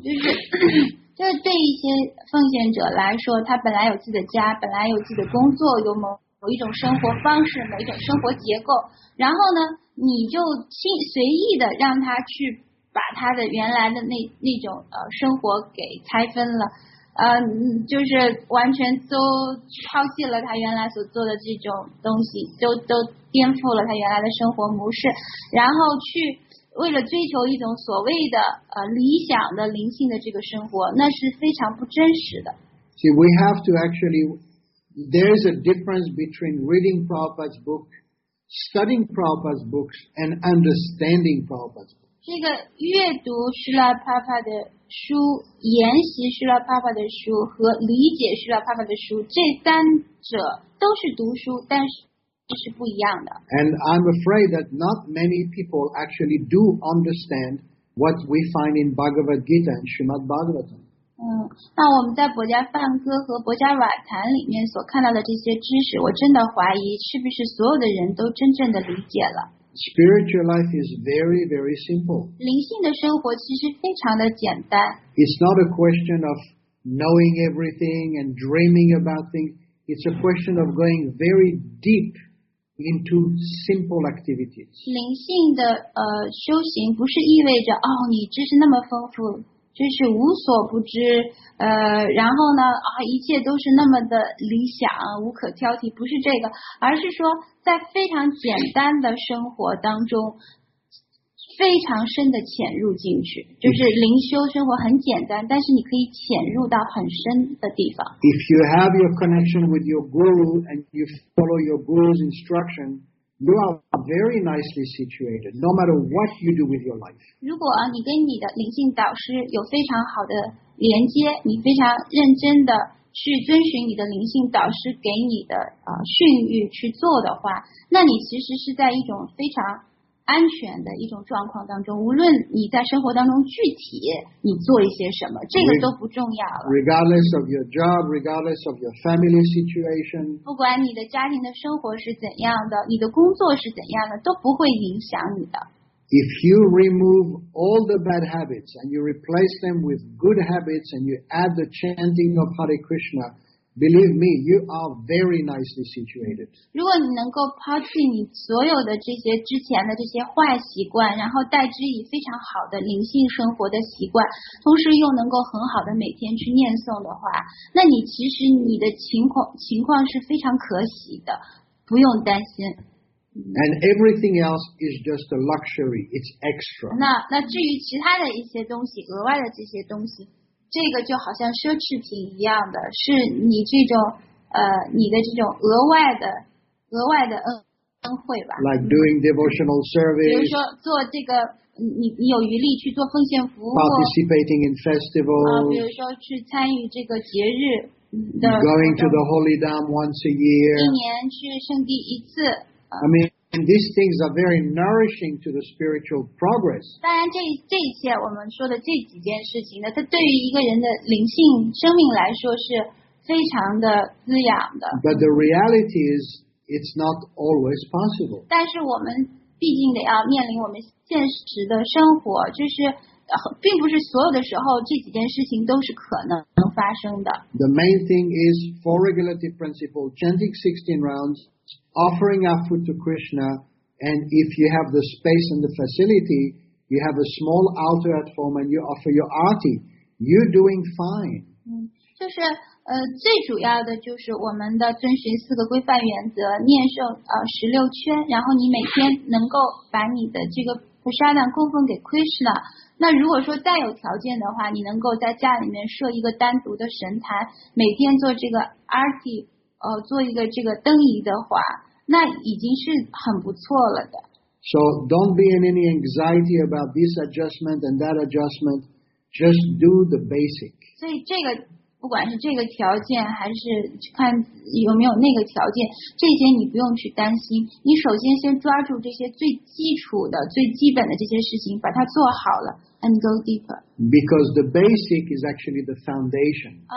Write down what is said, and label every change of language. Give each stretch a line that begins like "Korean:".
Chinese: 就是对一些奉献者来说，他本来有自己的家，本来有自己的工作，有某一种生活方式，某一种生活结构，然后呢你就随意的让他去把他的原来的那种生活给拆分了，就是完全都抛弃了他原来所做的这种东西，都颠覆了他原来的生活模式，然后去为了追求一种所谓的理想的灵性的这个生活，那是非常不真实的。
English: See, we have to actually, there is a difference between reading Prabhupada's book, studying Prabhupada's books, and understanding Prabhupada's book.
Chinese: 这个阅读是了帕帕的书，研习是了帕帕的书，和理解是了帕帕的书，这三者都是读书，但是。
English: And I'm afraid that not many people actually do understand what we find in Bhagavad Gita and Srimad Bhagavatam.
Chinese: 那我们在《博迦梵歌》和《博迦瓦坛》里面所看到的这些知识，我真的怀疑是不是所有的人都真正的理解了。
English: Spiritual life is very, very simple.
Chinese: 灵性的生活其实非常的简单。
English: It's not a question of knowing everything and dreaming about things. It's a question of going very deep into simple activities.
Chinese: 灵性的修行不是意味着你知识那么丰富，就是无所不知，然后呢一切都是那么的理想，无可挑剔，不是这个，而是说在非常简单的生活当中，非常深的潜入进去，就是灵修生活很简单，但是你可以潜入到很深的地方。
English: If you have your connection with your guru and you follow your guru's instruction, you are very nicely situated, no matter what you do with your life.
Chinese: 如果你跟你的灵性导师有非常好的连接，你非常认真的去遵循你的灵性导师给你的训谕去做的话，那你其实是在一种非常安全的一种状况当中，无论你在生活当中具体你做一些什么，这个都不重要了。
English: Regardless of your job, regardless of your family situation,
Chinese: 不管你的家庭的生活是怎样的，你的工作是怎样的，都不会影响你的。
English: If you remove all the bad habits and you replace them with good habits and you add the chanting of Hare Krishna, believe me, you are very nicely situated.
Chinese: 如果你能够抛弃你所有的这些之前的这些坏习惯，然后代之以非常好的灵性生活的习惯，同时又能够很好的每天去念诵的话，那你其实你的情况是非常可喜的，不用担心。
English: And everything else is just a luxury. It's extra.
Chinese: 那至于其他的一些东西，额外的这些东西。这个就好像奢侈品一样的，是你这种你的这种额外的恩惠吧。
English: Like doing devotional service.
Chinese: 比如说做这个，你有余力去做奉献服务。
English: Participating in festivals.
Chinese: 比如说去参与这个节日的。
English: Going to the Holy Dham once a year.
Chinese: 一年去圣地一次。
English: I mean, And these things are very nourishing to the spiritual progress.
Chinese: 当然这些我们说的这几件事情呢，它对于一个人的灵性生命来说是非常的滋养的。
English: But the reality is, it's not always possible.
Chinese: 但是我们毕竟得要面临我们现实的生活，就是并不是所有的时候这几件事情都是可能发生的。
English: The main thing is four regulative principles, chanting 16 rounds. Offering our food to Krishna, and if you have the space and the facility, you have a small altar at home and you offer your aarti, you're doing fine.
Chinese: 嗯，就是最主要的就是我们的遵循四个规范原则，念诵十六圈，然后你每天能够把你的这个prasadam供奉给 Krishna。那如果说再有条件的话，你能够在家里面设一个单独的神坛，每天做这个 aarti。做一个这个灯仪的话，那已经是很不错了的。
English: So don't be in any anxiety about this adjustment and that adjustment. Just do the basic.
Chinese: 所以这个不管是这个条件还是看有没有那个条件，这些你不用去担心。你首先先抓住这些最基础的、最基本的这些事情，把它做好了 ，
English: and go deeper. Because the basic is actually the foundation.